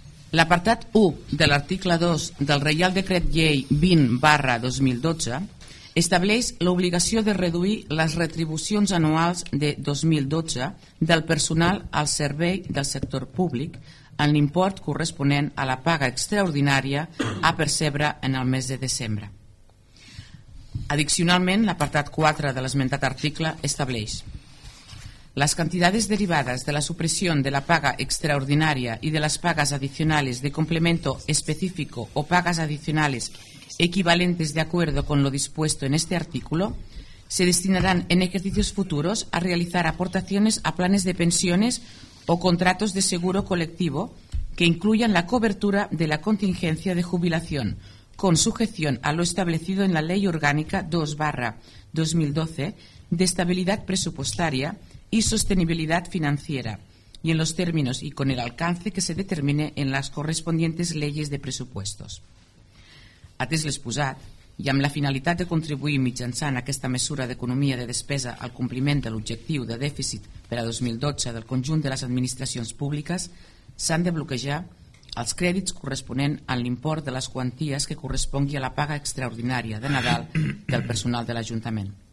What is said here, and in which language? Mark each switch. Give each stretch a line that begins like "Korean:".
Catalan: L'apartat 1 de l'article 2 del Reial Decret Llei 20/2012 estableix l'obligació de reduir les retribucions anuals de 2012 del personal al servei del sector públic en l'import corresponent a la paga extraordinària a percebre en el mes de desembre. Addicionalment, l'apartat 4 de l'esmentat article estableix
Spanish: las cantidades derivadas de la supresión de la paga extraordinaria y de las pagas adicionales de complemento específico o pagas adicionales equivalentes de acuerdo con lo dispuesto en este artículo se destinarán en ejercicios futuros a realizar aportaciones a planes de pensiones o contratos de seguro colectivo que incluyan la cobertura de la contingencia de jubilación con sujeción a lo establecido en la Ley Orgánica 2/2012 de Estabilidad Presupuestaria y sostenibilidad financiera y en los términos y con el alcance que se determine en las correspondientes leyes de presupuestos.
Catalan: Atès l'exposat, i amb la finalitat de contribuir mitjançant aquesta mesura d'economia de despesa al compliment de l'objectiu de dèficit per a 2012 del conjunt de les administracions públiques, s'han de bloquejar els crèdits corresponent a l'import de les quanties que correspongui a la paga extraordinària de Nadal del personal de l'Ajuntament.